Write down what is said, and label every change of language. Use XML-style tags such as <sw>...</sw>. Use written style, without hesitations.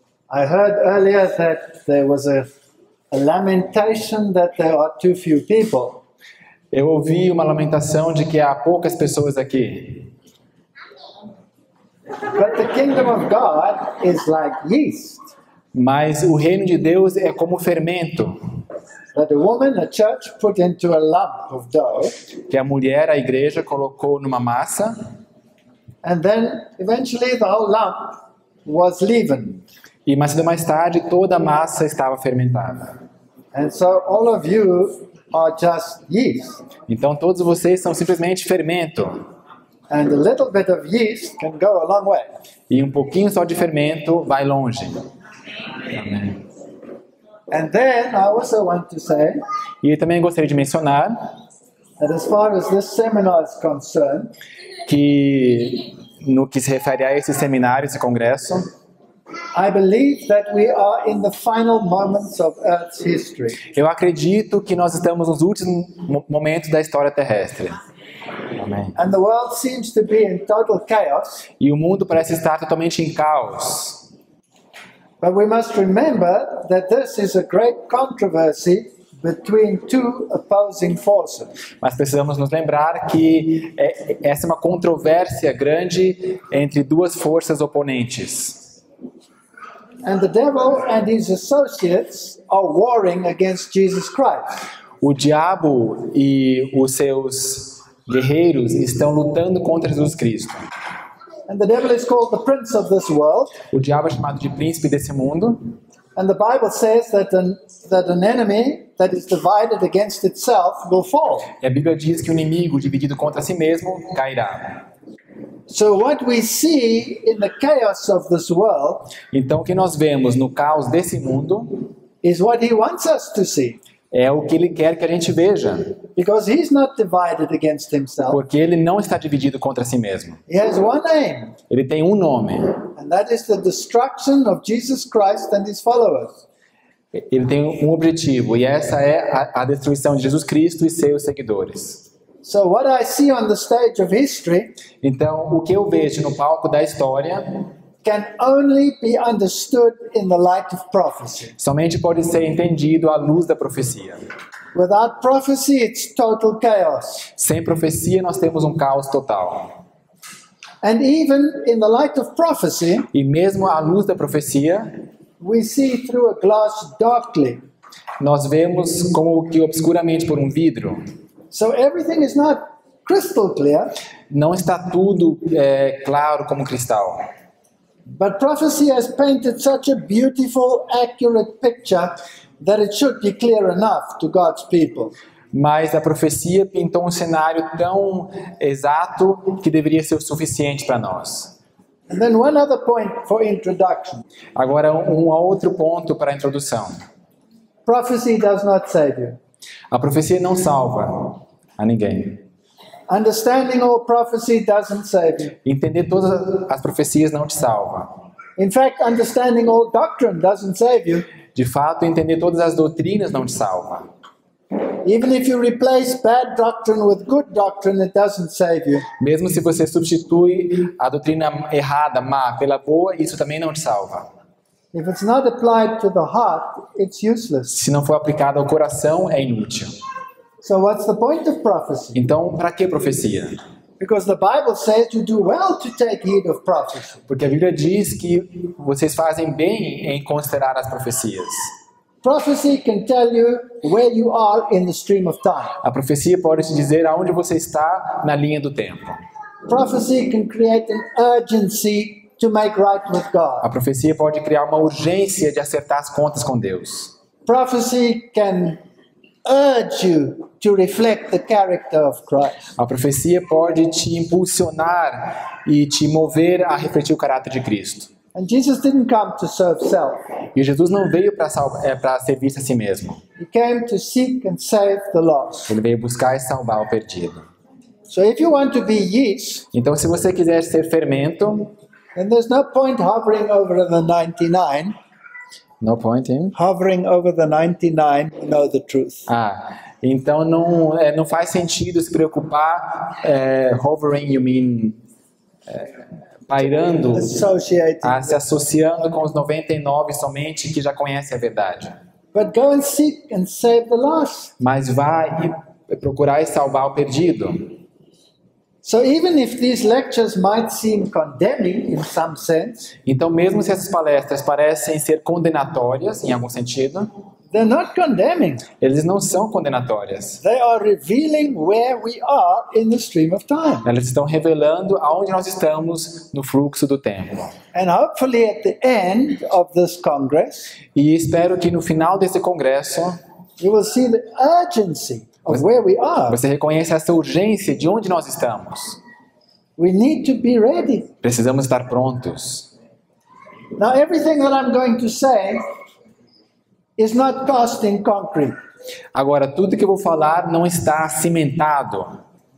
<en>I heard earlier that there was a lamentation that there are too few people.</en> <pt>Eu ouvi uma lamentação de que há poucas pessoas aqui.</pt> <en>But the kingdom of God is like yeast.</en> <pt>Mas o reino de Deus é como fermento.</pt> <en>That a woman, a church, put into a lump of dough.</en> <pt>Que a mulher, a igreja, colocou numa massa.</pt> <en>And then, eventually, the whole lump was leavened.</en> <pt>E mais tarde, toda a massa estava fermentada.</pt> <en>And so, all of you are just yeast.</en> <pt>Então, todos vocês são simplesmente fermento.</pt> <en>And a little bit of yeast can go a long way.</en> <pt>E um pouquinho só de fermento vai longe. Amém.</pt> <en>And then I also want to say,</en> <pt>e eu também gostaria de mencionar</pt> <en>that as far as this seminar is concerned,</en> <pt>que no que se refere a esse seminário, esse congresso,</pt> <en>I believe that we are in the final moments of Earth's history.</en> <pt>Eu acredito que nós estamos nos últimos momentos da história terrestre. Amém.</pt> <en>And the world seems to be in total chaos.</en> <pt>E o mundo parece estar totalmente em caos.</pt> <en>But we must remember that this is a great controversy between two opposing forces.</en> <pt>Mas precisamos nos lembrar que essa é uma controvérsia grande entre duas forças oponentes.</pt> <en>And the devil and his associates are warring against Jesus Christ.</en> <pt>O diabo e os seus guerreiros estão lutando contra Jesus Cristo.</pt> <en>And the devil is called the prince of this world.</en> <pt>O diabo é chamado de príncipe desse mundo.</pt> <en>And the Bible says that an enemy that is divided against itself will fall.</en> <pt>E a Bíblia diz que um inimigo dividido contra si mesmo cairá.</pt> <en>So what we see in the chaos of this world,</en> <pt>então o que nós vemos no caos desse mundo,</pt> <en>is what he wants us to see.</en> <pt>É o que ele quer que a gente veja.</pt> <en>Because he's not divided against himself.</en> <pt>Porque ele não está dividido contra si mesmo.</pt> <en>He has one aim.</en> <pt>Ele tem um nome.</pt> <en>And that is the destruction of Jesus Christ and his followers.</en> <pt>Ele tem um objetivo, e essa é a destruição de Jesus Cristo e seus seguidores.</pt> <en>So what I see on the stage of history,</en> <pt>então o que eu vejo no palco da história,</pt> <en>can only be understood in the light of prophecy.</en> <pt>Somente pode ser entendido à luz da profecia.</pt> <en>Without prophecy, it's total chaos.</en> <pt>Sem profecia, nós temos um caos total.</pt> <en>And even in the light of prophecy,</en> <pt>e mesmo à luz da profecia,</pt> <en>we see through a glass darkly.</en> <pt>Nós vemos como que obscuramente por um vidro.</pt> <en>So everything is not crystal clear.</en> <pt>Não está tudo claro como cristal.</pt> <en>But prophecy has painted such a beautiful, accurate picture that it should be clear enough to God's people.</en> <pt>Mas a profecia pintou um cenário tão exato que deveria ser o suficiente para nós.</pt> <en>And then one other point for introduction.</en> <pt>Agora um outro ponto para a introdução.</pt> <en>Prophecy does not save you.</en> <pt>A profecia não salva a ninguém.</pt> <en>Understanding all prophecy doesn't save you.</en> <pt>Entender todas as profecias não te salva.</pt> <en>In fact, understanding all doctrine doesn't save you.</en> <pt>De fato, entender todas as doutrinas não te salva.</pt> <en>Even if you replace bad doctrine with good doctrine, it doesn't save you.</en> <pt>Mesmo se você substitui a doutrina errada, má, pela boa, isso também não te salva.</pt> <en>If it's not applied to the heart, it's useless.</en> <pt>Se não for aplicado ao coração, é inútil.</pt> <en>So what's the point of prophecy?</en> <pt>Então, para que profecia?</pt> <en>Because the Bible says you do well to take heed of prophecy.</en> <pt>Porque a Bíblia diz que vocês fazem bem em considerar as profecias.</pt> <en>Prophecy can tell you where you are in the stream of time.</en> <pt>A profecia pode te dizer aonde você está na linha do tempo.</pt> <en>Prophecy can create an urgency to make right with God.</en> <pt>A profecia pode criar uma urgência de acertar as contas com Deus.</pt> <en>Prophecy can urge you to reflect the character of Christ.</en> <pt>A profecia pode te impulsionar e te mover a refletir o caráter de Cristo.</pt> <en>And Jesus didn't come to serve self.</en> <pt>E Jesus não veio para servir a si mesmo.</pt> <en>He came to seek and save the lost.</en> <pt>Ele veio buscar e salvar o perdido.</pt> <en>So if you want to be yeast,</en> <pt>então se você quiser ser fermento,</pt> <en>then there's no point hovering over the 99. No point in hovering over the 99 to know the truth.</en> <pt>Ah, Então não, não faz sentido se preocupar</pt> <en>hovering, you mean,</en> <pt>pairando, se associando com os 99 somente que já conhecem a verdade.</pt> <en>But go and seek and save the lost.</en> <pt>Mas vá e procurar e salvar o perdido.</pt> <en>So even if these lectures might seem condemning in some sense,</en> <pt>então mesmo se essas palestras parecem ser condenatórias em algum sentido,</pt> <en>they're not condemning.</en> <pt>Eles não são condenatórias.</pt> <en>They are revealing where we are in the stream of time.</en> <pt>Elas estão revelando aonde nós estamos no fluxo do tempo.</pt> <en>And hopefully at the end of this congress,</en> <pt>e espero que no final desse congresso,</pt> <en>you will see the urgency.</en> <pt>Você reconhece essa urgência de onde nós estamos.</pt> <en>We need to be ready.</en> <pt>Precisamos estar prontos.</pt> <en>Now everything that I'm going to say is not cast in concrete.</en> <pt>Agora tudo que eu vou falar não está cimentado.</pt>